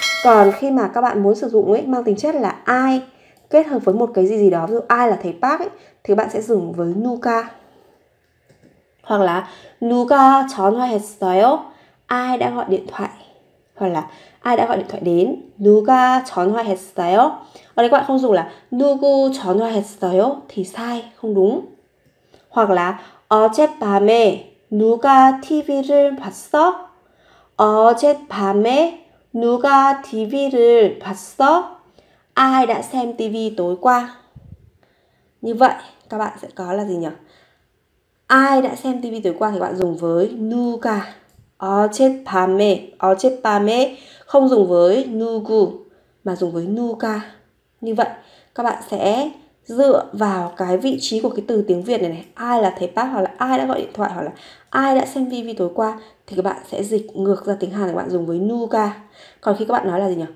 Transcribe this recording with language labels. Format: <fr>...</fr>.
<vi>Còn khi mà các bạn muốn sử dụng ấy mang tính chất là ai kết hợp với một cái gì gì đó, ví dụ ai là thầy Park ấy, thì bạn sẽ dùng với 누가. Hoặc là</vi> <ko>누가 전화했어요?</ko> <vi>Ai đã gọi điện thoại? Hoặc là ai đã gọi điện thoại đến?</vi> <ko>누가 전화했어요?</ko> <vi>Ở đây các bạn không dùng là</vi> <ko>누구 전화했어요</ko> <vi>thì sai, không đúng. Hoặc là</vi> <ko>어젯밤에 누가 TV를 봤어? 어젯밤에 누가 TV를 봤어?</ko> <vi>Ai đã xem TV tối qua? Như vậy các bạn sẽ có là gì nhỉ? Ai đã xem TV tối qua thì các bạn dùng với 누가. 어젯밤에, 어젯밤에 không dùng với 누구 mà dùng với 누가. Như vậy các bạn sẽ dựa vào cái vị trí của cái từ tiếng Việt này này, ai là thầy bác, hoặc là ai đã gọi điện thoại, hoặc là ai đã xem TV tối qua, thì các bạn sẽ dịch ngược ra tiếng Hàn thì các bạn dùng với 누가. Còn khi các bạn nói là gì nhỉ?</vi>